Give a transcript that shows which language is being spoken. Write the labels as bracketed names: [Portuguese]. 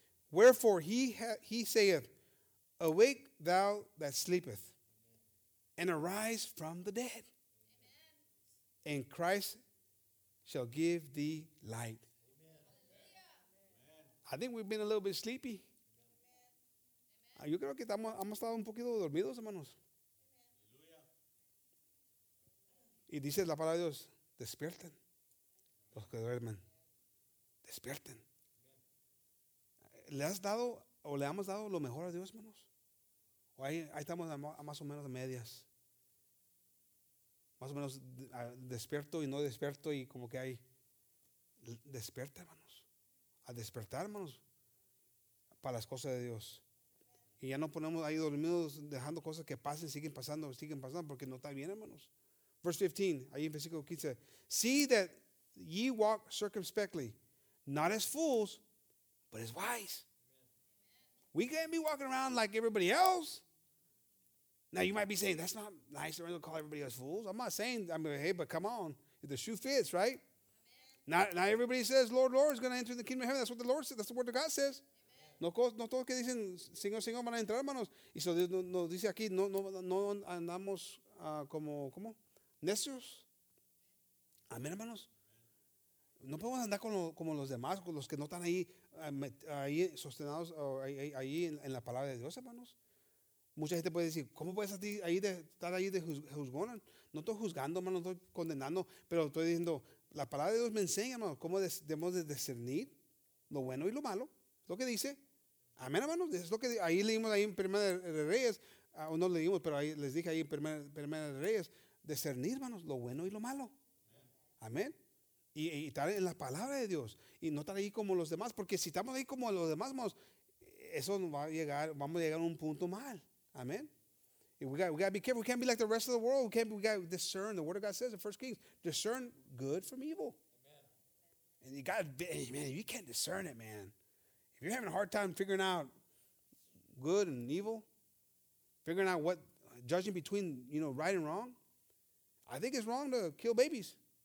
[English] Wherefore he saith, awake thou that sleepeth, and arise from the dead, and Christ shall give thee light. I think we've been a little bit sleepy. [Spanish] Yo creo que hemos estado un poquito dormidos, hermanos. Y dice la palabra de Dios, despierten los que duermen. Despierten. ¿Le has dado o le hemos dado lo mejor a Dios, hermanos? O ahí estamos a más o menos a medias. Más o menos despierto y no despierto y como que hay. Despierta, hermanos. A despertar, hermanos, para las cosas de Dios. Y ya no ponemos ahí dormidos dejando cosas que pasen, siguen pasando, porque no está bien, hermanos. [English] Verse 15, [Spanish] ahí en versículo 15. [English] See that ye walk circumspectly, not as fools, but it's wise. Amen. We can't be walking around like everybody else. Now you might be saying, that's not nice. We're going to call everybody else fools. I'm not saying, but come on. If the shoe fits, right? Amen. Not everybody says, Lord, Lord, is going to enter the kingdom of heaven. That's what the Lord says. That's the word of God says. [Spanish] No todos que dicen, Señor, Señor, van a entrar, hermanos. Y so Dios nos dice aquí, no andamos como necios. Amén, hermanos. No podemos andar como los demás, con los que no están ahí sostenidos ahí en la palabra de Dios, hermanos. Mucha gente puede decir, ¿cómo puedes estar ahí de juzgón? No estoy juzgando, hermanos, estoy condenando, pero estoy diciendo, la palabra de Dios me enseña, hermanos, cómo debemos de discernir lo bueno y lo malo, lo que dice. Amén, hermanos. Es lo que ahí leímos ahí en Primera de Reyes, O no le dimos, pero ahí les dije ahí en Primera de Reyes, discernir, hermanos, lo bueno y lo malo. Amén. Y estar en la palabra de Dios y no estar ahí como los demás, porque si estamos ahí como los demás, vamos, eso nos va a llegar, vamos a llegar a un punto mal. Amén. [English] Y we got to be careful. We can't be like the rest of the world. We got to discern. The word of God says in 1 Kings, discern good from evil. Amen. And you got to, man, you can't discern it, man. If you're having a hard time figuring out good and evil, figuring out what, judging between, you know, right and wrong, I think it's wrong to kill babies.